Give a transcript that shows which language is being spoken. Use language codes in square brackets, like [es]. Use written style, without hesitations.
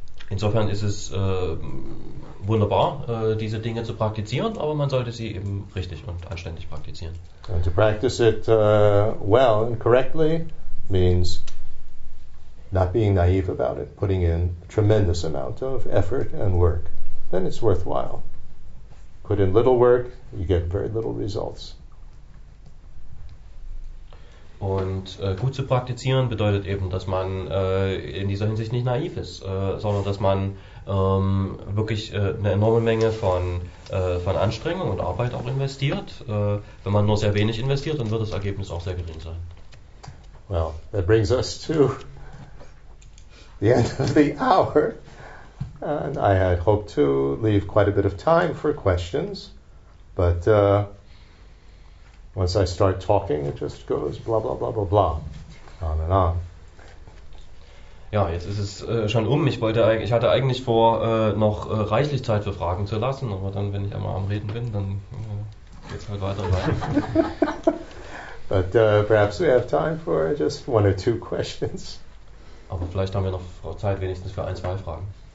[de] Insofern ist es wunderbar, diese Dinge zu praktizieren, aber man sollte sie eben richtig und anständig praktizieren. [en] And to practice it well and correctly means not being naive about it, putting in a tremendous amount of effort and work. then it's worthwhile. Put in little work, you get very little results. [de] Und gut zu praktizieren bedeutet eben, dass man in dieser Hinsicht nicht naiv ist, sondern dass man wirklich eine enorme Menge von Anstrengung und Arbeit auch investiert. Wenn man nur sehr wenig investiert, dann wird das Ergebnis auch sehr gering sein. [en] Well, that brings us to the end of the hour. And I had hoped to leave quite a bit of time for questions, but once I start talking, it just goes blah, blah, blah, blah, blah, on and on. [de] Ja, jetzt ist es schon um. Ich hatte eigentlich vor, noch reichlich Zeit für Fragen zu lassen, aber dann, wenn ich einmal am Reden bin, dann geht's halt weiter. [en] But perhaps we have time for just one or two questions. [de] Aber vielleicht haben wir noch Zeit wenigstens für ein, zwei Fragen.